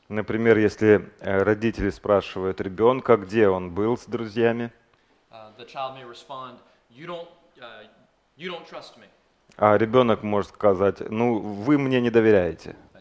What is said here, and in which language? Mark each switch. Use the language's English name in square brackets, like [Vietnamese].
[Russian] Например, если родители спрашивают ребенка, где он был с друзьями. [English] The child may respond, you don't trust me. [Russian] А ребенок может сказать, ну, вы мне не доверяете.